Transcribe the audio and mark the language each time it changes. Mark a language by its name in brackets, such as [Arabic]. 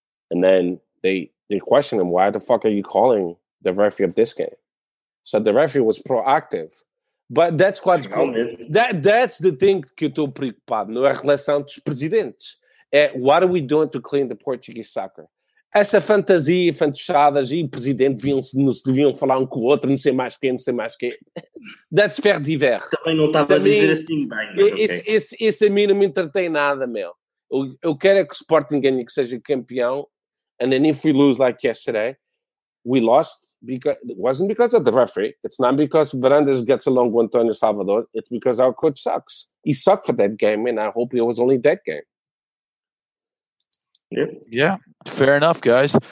[English] And then they questioned him, why the fuck are you calling the referee of this game? So the referee was proactive. But that's what's going on. That's the thing [Portuguese] que eu estou preocupado, não é relação dos presidentes. [English] É, what are we doing to clean the Portuguese soccer? [Portuguese] Essa fantasia e fantochadas e o presidente deviam falar um com o outro, não sei mais quem. [English] That's fair divers. [Portuguese] Também não estava a dizer assim bem. Isso a mim não me entretém nada, meu. Eu quero é que o Sporting ganhe, que seja campeão. [English] And then if we lose like yesterday, we lost because it wasn't because of the referee. It's not because Varandas gets along with Antonio Salvador. It's because our coach sucks. He sucked for that game, and I hope it was only that game. Yeah, fair enough, guys.